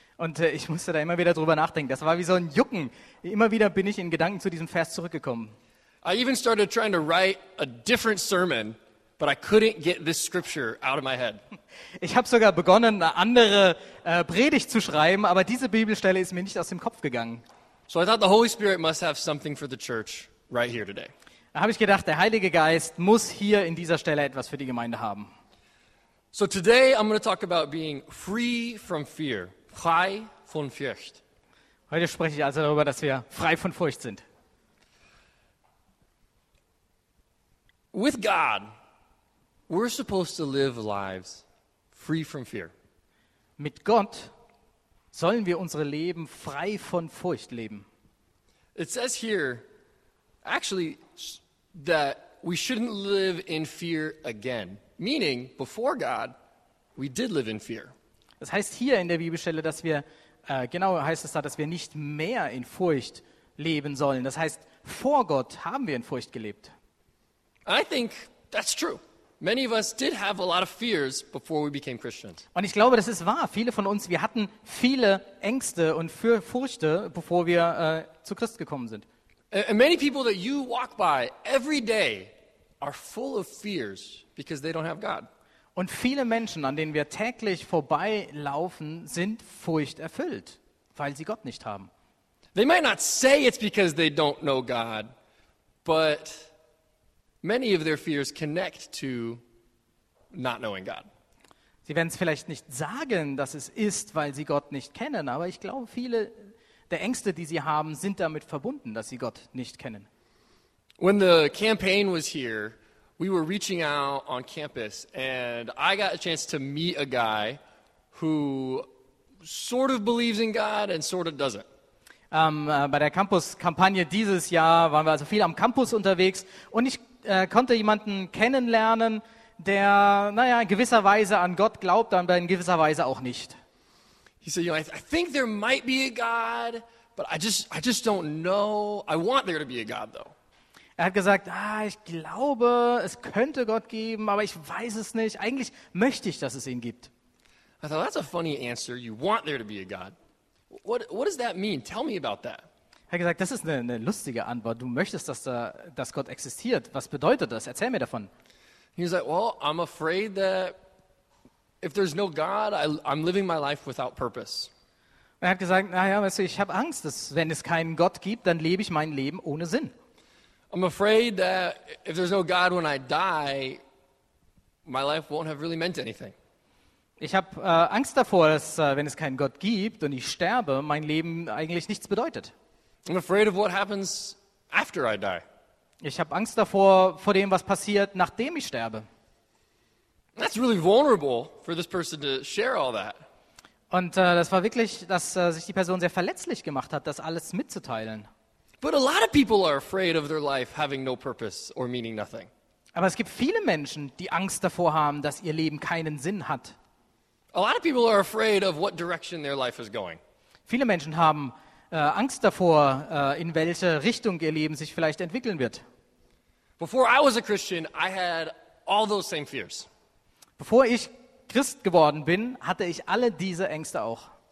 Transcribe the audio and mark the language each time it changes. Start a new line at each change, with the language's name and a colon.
German: Und ich musste da immer wieder drüber nachdenken. Das war wie so ein Jucken. Immer wieder bin ich in Gedanken zu diesem Vers zurückgekommen.
English: I even started trying to write a different sermon, but I couldn't get this scripture out of my head.
German: Ich habe sogar begonnen, eine andere Predigt zu schreiben, aber diese Bibelstelle ist mir nicht aus dem Kopf gegangen.
English: So I thought the Holy Spirit must have something for the church right here today.
German: Da habe ich gedacht, der Heilige Geist muss hier in dieser Stelle etwas für die Gemeinde haben.
English: So today I'm going to talk about being free from fear.
German: Frei von Furcht. Heute spreche ich also darüber, dass wir frei von Furcht sind.
English: With God, we're supposed to live lives free from fear.
German: Mit Gott sollen wir unsere Leben frei von Furcht leben.
English: It says here, actually, that we shouldn't live in fear again. Meaning, before God, we did live in fear.
German: Das heißt hier in der Bibelstelle, dass wir, genau heißt es da, dass wir nicht mehr in Furcht leben sollen. Das heißt, vor Gott haben wir in Furcht gelebt.
English: I think that's true. Many of us did have a lot of fears before we became Christians.
German: Und ich glaube, das ist wahr. Viele von uns, wir hatten viele Ängste und Furchte, bevor wir zu Christ gekommen sind.
English: And many people that you walk by every day are full of fears because they don't have God.
German: Und viele Menschen, an denen wir täglich vorbeilaufen, sind furchterfüllt, weil sie Gott nicht haben.
English: They might not say it's because they don't know God, but many of their fears connect to not knowing God.
German: Sie werden es vielleicht nicht sagen, dass es ist, weil sie Gott nicht kennen, aber ich glaube, viele der Ängste, die sie haben, sind damit verbunden, dass sie Gott nicht kennen.
English: When the campaign was here, we were reaching out on campus and I got a chance to meet a guy who sort of believes in God and sort of doesn't.
German: Bei der Campus-Kampagne dieses Jahr waren wir also viel am Campus unterwegs und ich konnte jemanden kennenlernen, der, naja, in gewisser Weise an Gott glaubt, aber in gewisser Weise auch nicht.
English: He said, you know, I think there might be a God, but I just don't know. I want there to be a God, though.
German: Er hat gesagt, ich glaube, es könnte Gott geben, aber ich weiß es nicht. Eigentlich möchte ich, dass es ihn gibt.
English: I thought, that's a funny answer. You want there to be a God. What does that mean? Tell me about that.
German: Er hat gesagt, das ist eine lustige Antwort. Du möchtest, dass Gott existiert. Was bedeutet das? Erzähl mir davon.
English: He was like, well, I'm afraid that if there's no God, I'm living my life without purpose.
German: Er hat gesagt, weißt du, ich habe Angst, dass wenn es keinen Gott gibt, dann lebe ich mein Leben ohne Sinn.
English: I'm afraid that if there's no God when I die, my life won't have really meant anything.
German: Ich habe Angst davor, dass wenn es keinen Gott gibt und ich sterbe, mein Leben eigentlich nichts bedeutet.
English: I'm afraid of what happens after I die.
German: Ich habe Angst davor, vor dem, was passiert, nachdem ich sterbe.
English: That's really vulnerable for this person to share all that.
German: Und das war wirklich, dass sich die Person sehr verletzlich gemacht hat, das alles mitzuteilen.
English: But a lot of people are afraid of their life having no purpose or meaning nothing.
German: Aber es gibt viele Menschen, die Angst davor haben, dass ihr Leben keinen Sinn hat.
English: A lot of people are afraid of what direction their life is going.
German: Viele Menschen haben Angst davor, in welche Richtung ihr Leben sich vielleicht entwickeln wird.
English: Before I was a Christian, I had all those same fears.
German: Bevor ich Christ geworden bin, hatte ich alle diese Ängste auch.